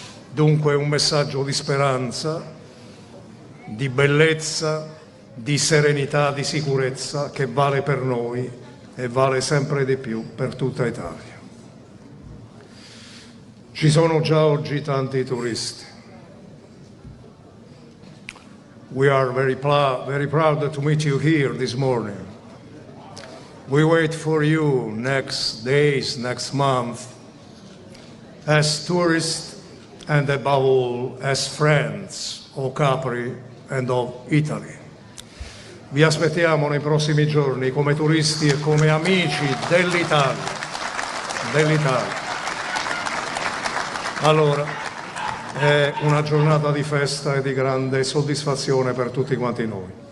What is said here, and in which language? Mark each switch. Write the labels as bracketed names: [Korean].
[Italian] Dunque un messaggio di speranza, di bellezza, di serenità, di sicurezza che vale per noi e vale sempre di più per tutta Italia. Ci sono già oggi tanti turisti. [English] We are very proud to meet you here this morning. We wait for you next days, next month, as tourists and above all as friends of Capri and of Italy. [Italian] Vi aspettiamo nei prossimi giorni come turisti e come amici dell'Italia. Allora, è una giornata di festa e di grande soddisfazione per tutti quanti noi.